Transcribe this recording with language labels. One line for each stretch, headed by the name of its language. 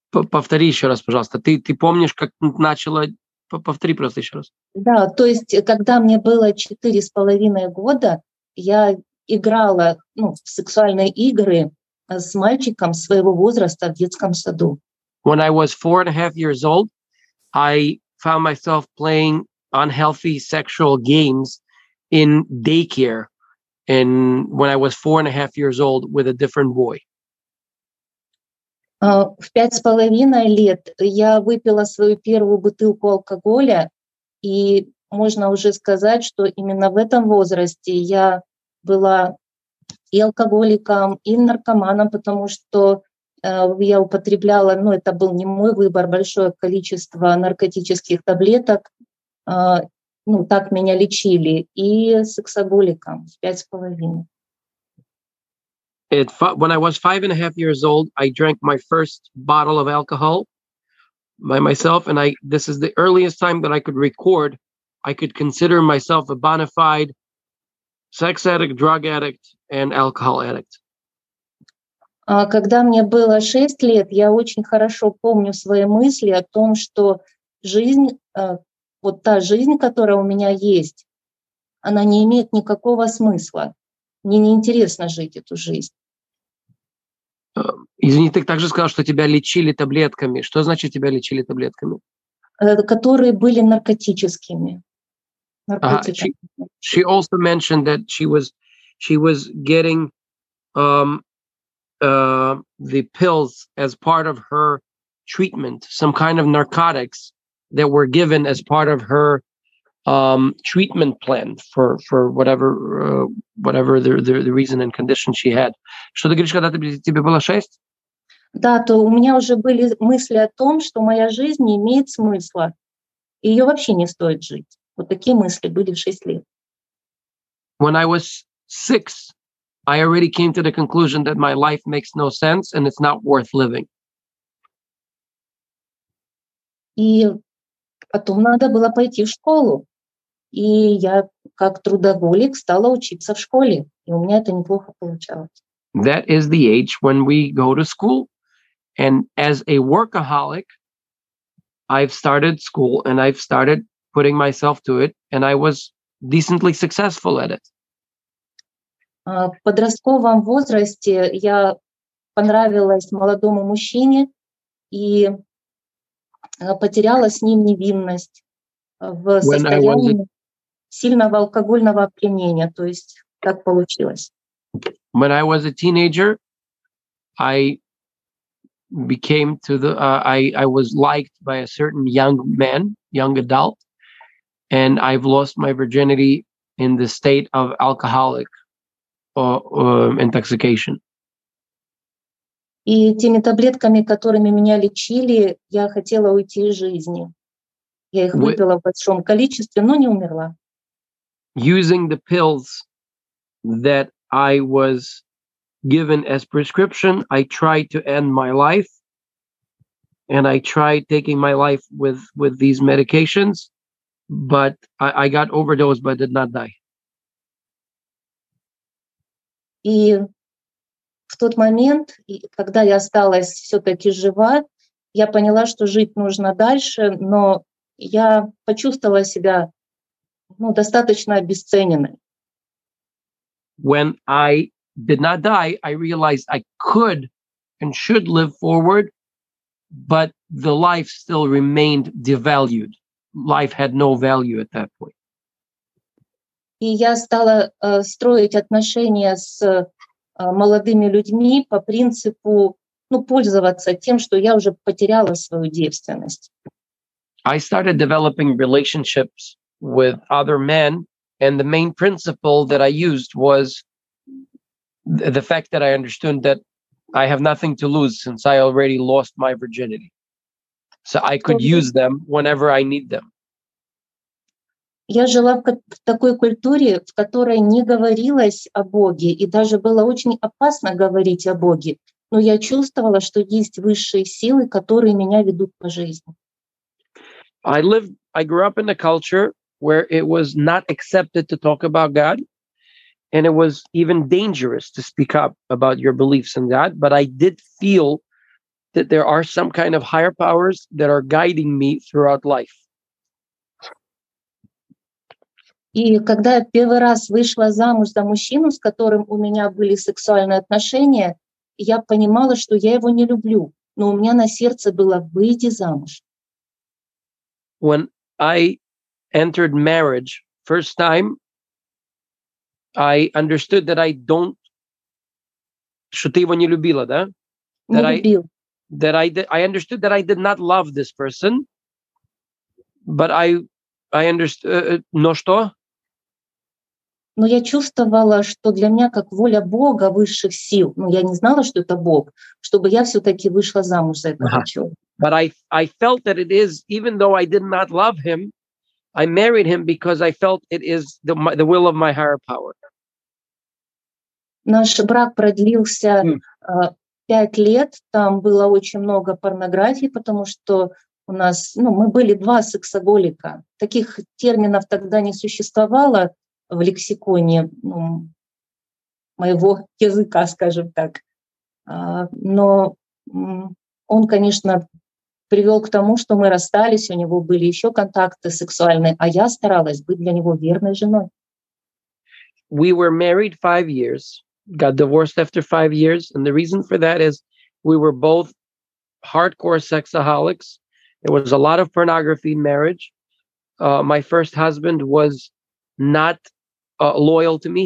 Russian: Повтори еще раз, пожалуйста. Ты помнишь, как начала? Повтори просто еще раз. Да, то есть, когда мне было 4.5 года, я играла в сексуальные игры с мальчиком своего возраста в детском саду.
English: When I was 4.5 years old, I found myself playing unhealthy sexual games in daycare, and when I was 4.5 years old with a different boy.
Russian: В 5.5 лет я выпила свою первую бутылку алкоголя, и можно уже сказать, что именно в этом возрасте я была и алкоголиком, и наркоманом, потому что я употребляла, это был не мой выбор, большое количество наркотических таблеток, так меня лечили, и сексоголиком в 5.5.
English: When I was 5.5 years old, I drank my first bottle of alcohol by myself, and this is the earliest time that I could record. I could consider myself a bona fide sex addict, drug addict, and alcohol addict.
Russian: Когда мне было 6 лет, я очень хорошо помню свои мысли о том, что жизнь, вот та жизнь, которая у меня есть, она не имеет никакого смысла. Мне не интересно жить эту жизнь. Извини, ты также сказал, что тебя лечили таблетками. Что значит тебя лечили таблетками? Которые были наркотическими.
English: She also mentioned that she was getting the pills as part of her treatment, some kind of narcotics that were given as part of her treatment plan for whatever the reason and condition she had.
Russian: Что ты говоришь, когда тебе было 6? Да, то у меня уже были мысли о том, что моя жизнь не имеет смысла, и ее вообще не стоит жить. Вот такие мысли были в 6 лет.
English: When I was 6, I already came to the conclusion that my life makes no sense and it's not worth living.
Russian: И потом надо было пойти в школу. И я как трудоголик стала учиться в школе. И у меня это неплохо получалось.
English: That is the age when we go to school. And as a workaholic, I've started school and I've started putting myself to it. And I was decently successful at it.
Russian: В подростковом возрасте я понравилась молодому мужчине и потеряла с ним невинность в состоянии сильного алкогольного опьянения, то есть так получилось.
English: When I was a teenager, I became to the I was liked by a certain young man, young adult, and I've lost my virginity in the state of alcoholic intoxication.
Russian: И теми таблетками, которыми меня лечили, я хотела уйти из жизни. Я их выпила в большом количестве, но не умерла.
English: Using the pills that I was given as prescription, I tried to end my life, and I tried taking my life with these medications, but I got overdosed, but did not die.
Russian: И в тот момент, когда я осталась все-таки жива, я поняла, что жить нужно дальше, но я почувствовала себя достаточно обесцененной.
English: When I did not die, I realized I could and should live forward, but the life still remained devalued. Life had no value at that point.
Russian: И я стала строить отношения с молодыми людьми по принципу, пользоваться тем, что я уже потеряла свою девственность.
English: I started developing relationships with other men, and the main principle that I used was the fact that I understood that I have nothing to lose since I already lost my virginity. So I could use them whenever I need them.
Russian: Я жила в такой культуре, в которой не говорилось о Боге, и даже было очень опасно говорить о Боге. Но я чувствовала, что есть высшие силы, которые меня ведут по жизни.
English: I grew up in a culture where it was not accepted to talk about God, and it was even dangerous to speak up about your beliefs in God. But I did feel that there are some kind of higher powers that are guiding me throughout life.
Russian: И когда я первый раз вышла замуж за мужчину, с которым у меня были сексуальные отношения, я понимала, что я его не люблю, но у меня на сердце было выйти замуж.
English: When I entered marriage first time, I understood that I don't...
Russian: Что ты его не любила, да? Не любил.
English: I understood that I did not love this person, but I understood...
Russian: Но что? Но я чувствовала, что для меня как воля Бога высших сил, но я не знала, что это Бог, чтобы я все-таки вышла замуж за этого человека.
English: But I felt that it is, even though I did not love him, I married him because I felt it is the will of my higher power.
Russian: Наш брак продлился 5 лет. Там было очень много порнографии, потому что у нас, ну, мы были два сексоголика. Таких терминов тогда не существовало в лексиконе, ну, моего языка, скажем так. Но он, конечно, привел к тому, что мы расстались, у него были еще контакты сексуальные, а я старалась быть для него верной женой.
English: We were married 5 years, got divorced after 5 years, and the reason for that is we were both hardcore sexaholics. There was a lot of pornography in marriage. My first husband was not loyal to me.